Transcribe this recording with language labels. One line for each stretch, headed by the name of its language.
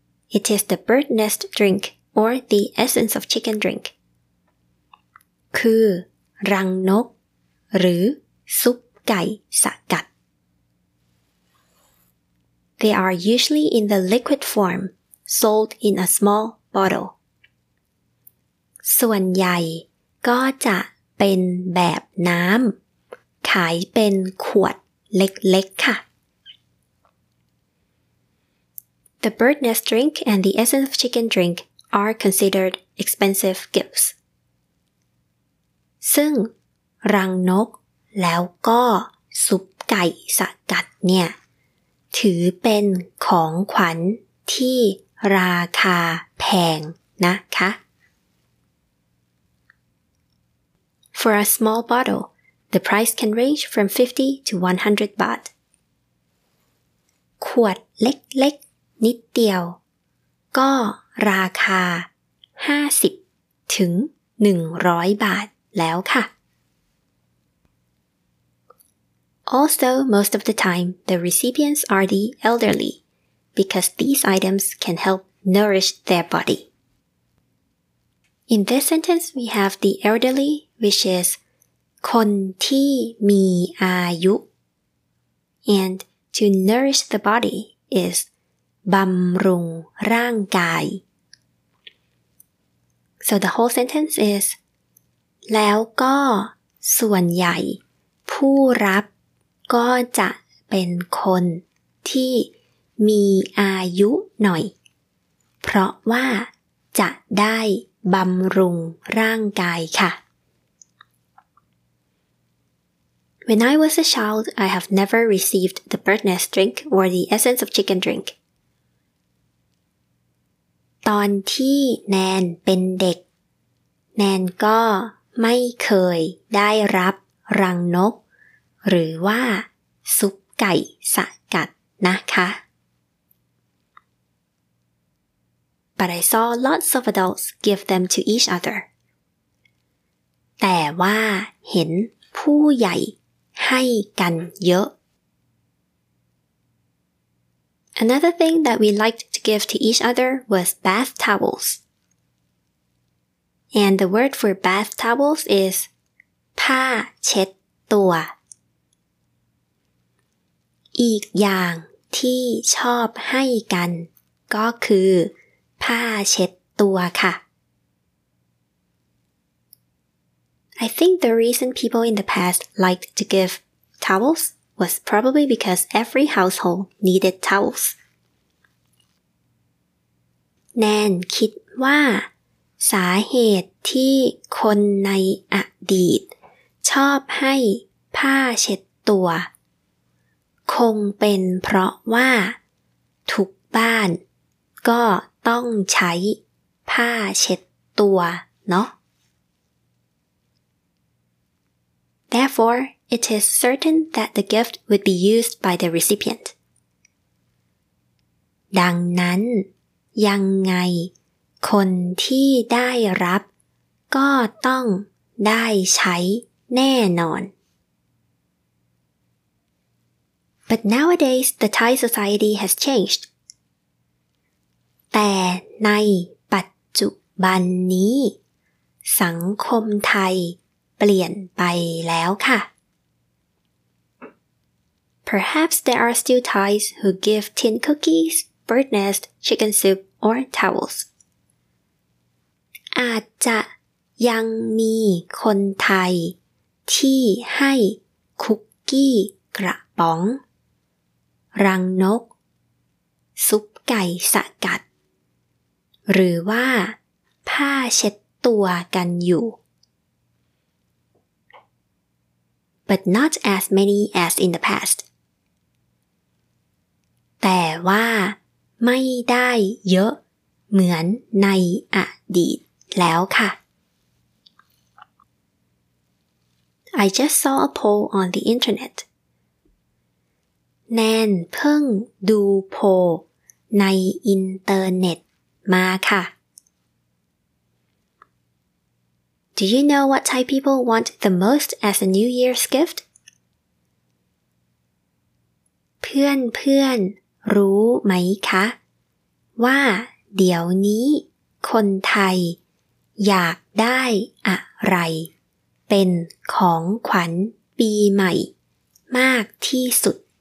English: It is the bird nest drink or the essence of chicken drink.
Thai: คือรังนกหรือซุปไก่สกัด
English: They are usually in the liquid form, sold in a small bottle.
Thai: ส่วนใหญ่ก็จะเป็นแบบน้ำขายเป็นขวดเล็กๆค่ะ
English: The bird nest drink and the essence of chicken drink are considered expensive gifts.
Thai: ซึ่งรังนกแล้วก็ซุปไก่สกัดเนี่ยถือเป็นของขวัญที่ราคาแพงนะคะ
English: For a small bottle, the price can range from 50 to 100 baht.
Thai: ขวดเล็กๆนิดเดียวก็ราคา50ถึง100บาทแล้วค่ะ
English: Also, most of the time, the recipients are the elderly, because these items can help nourish their body. In this sentence, we have the elderly, which is
Thai: คนที่มีอายุ
English: And to nourish the body is
Thai: บำรุงร่างกาย
English: So the whole sentence is
Thai: แล้วก็ส่วนใหญ่ผู้รับก็จะเป็นคนที่มีอายุหน่อยเพราะว่าจะได้บำรุงร่างกายค่ะ
English: When I was a child, I have never received the bird nest drink or the essence of chicken drink.
Thai: ตอนที่แนนเป็นเด็กแนนก็ไม่เคยได้รับรังนกหรือว่าซุปไก่สกัดนะคะ
English: But I saw lots of adults give them to each other.
Thai: แต่ว่าเห็นผู้ใหญ่ให้กันเยอะ
English: Another thing that we liked to give to each other was bath towels. And the word for bath towels is
Thai: ผ้าเช็ดตัวอีกอย่างที่ชอบให้กันก็คือผ้าเช็ดตัวค่ะ
English: I think the reason people in the past liked to give towels was probably because every household needed towels.
Thai: แนนคิดว่าสาเหตุที่คนในอดีตชอบให้ผ้าเช็ดตัวคงเป็นเพราะว่าทุกบ้านก็ต้องใช้ ผ้าเช็ดตัวเนาะ
English: Therefore, it is certain that the gift would be used by the recipient.
Thai: ดังนั้นยังไงคนที่ได้รับก็ต้องได้ใช้แน่นอน
English: But nowadays, the Thai society has changed.
Thai: แต่ในปัจจุบันนี้สังคมไทยเปลี่ยนไปแล้วค่ะ
English: Perhaps there are still Thais who give tin cookies, bird nest, chicken soup, or towels.
Thai: อาจจะยังมีคนไทยที่ให้คุกกี้กระป๋องรังนกซุปไก่สกัดหรือว่าผ้าเช็ดตัวกันอยู่
English: But not as many as in the past
Thai: แต่ว่าไม่ได้เยอะเหมือนในอดีตแล้วค่ะ
English: I just saw a poll on the internet.
Thai: แนนเพิ่งดูโพลในอินเทอร์เน็ตมาค่ะ
English: Do you know what Thai people want the most as a New Year's gift?
Thai: เพื่อนๆรู้ไหมคะว่าเดี๋ยวนี้คนไทยอยากได้อะไรเป็นของขวัญปีใหม่มากที่สุด